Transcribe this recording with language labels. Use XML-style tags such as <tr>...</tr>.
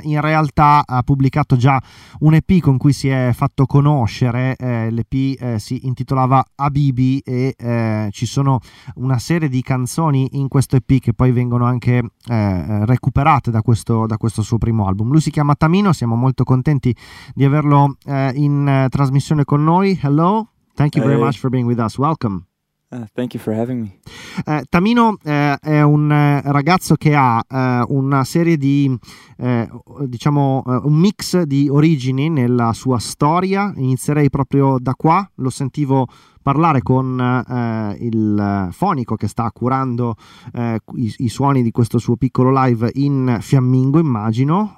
<it>In realtà ha pubblicato già un EP con cui si è fatto conoscere, l'EP si intitolava Abir, Habibi, e ci sono una serie di canzoni in questo EP che poi vengono anche recuperate da questo suo primo album. Lui si chiama Tamino, siamo molto contenti di averlo in trasmissione con noi.</it> <en>Hello, thank you very much for being with us, welcome. Thank you for having me.</en> <it>Tamino è un ragazzo che ha una serie di, diciamo, un mix di origini nella sua storia. Inizierei proprio da qua. Lo sentivo parlare con il fonico che sta curando i suoni di questo suo piccolo live in fiammingo, immagino.</it>